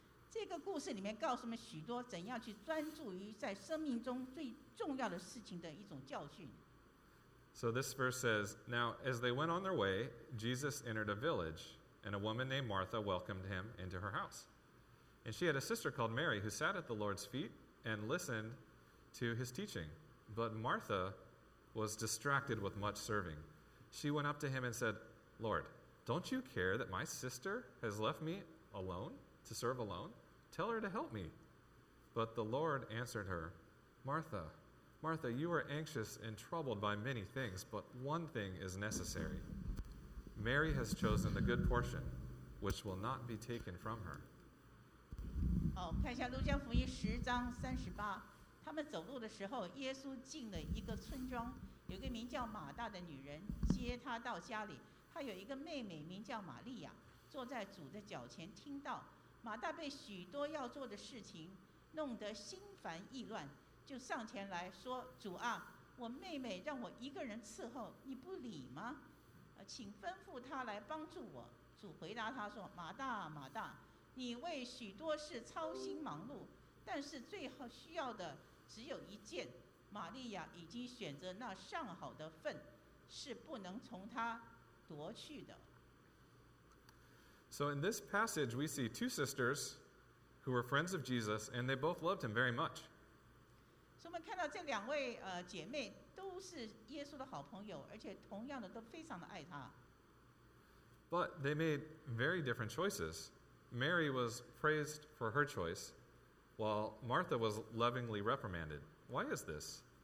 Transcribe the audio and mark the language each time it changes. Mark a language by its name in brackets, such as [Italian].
[Chinese] 这个故事里面告诉我们许多怎样去专注于在生命中最重要的事情的一种教训。 [English] So this verse says, Now as they went on their way, Jesus entered a village, and a woman named Martha welcomed him into her house. And she had a sister called Mary who sat at the Lord's feet and listened to his teaching. But Martha was distracted with much serving. She went up to him and said, Lord, don't you care that my sister has left me alone to serve alone? Tell her to help me. But the Lord answered her, Martha, Martha, you are anxious and troubled by many things, but one thing is necessary. Mary has chosen the good portion, which will not be taken from her. [Chinese] 好，看一下路加福音十章三十八。他们走路的时候，耶稣进了一个村庄，有个名叫马大的女人接他到家里。她有一个妹妹名叫玛利亚，坐在主的脚前听到。马大被许多要做的事情弄得心烦意乱，就上前来说，主啊，我妹妹让我一个人伺候，你不理吗？请吩咐她来帮助我。主回答她说，马大，马大，你为许多事操心忙碌，但是最好需要的只有一件。玛利亚已经选择那上好的份，是不能从她夺去的。 [English] So in this passage, we see two sisters who were friends of Jesus, and they both loved him very much. So we see these two sisters are good friends of Jesus, and they both loved him very much. But they made very different choices. Mary was praised for her choice, while Martha was lovingly reprimanded. Why is this?